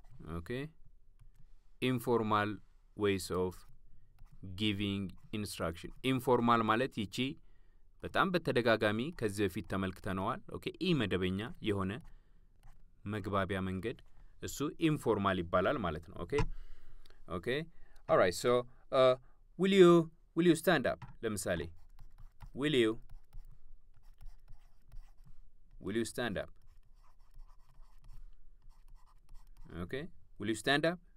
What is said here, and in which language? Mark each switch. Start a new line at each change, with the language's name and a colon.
English: Okay, informal ways of giving instruction.
Amharic: Informal ማለት ይቺ በጣም በተደጋጋሚ ከዚህ በፊት ተመልክተነዋል። ኦኬ ኢ መደበኛ የሆነ መግባቢያ መንገድ እሱ ኢንፎርማል ይባላል ማለት ነው። ኦኬ ኦኬ ኦራይት ሶ
English: will you stand up?
Amharic: ለምሳሌ
English: will you stand up? ኦኬ will you stand up?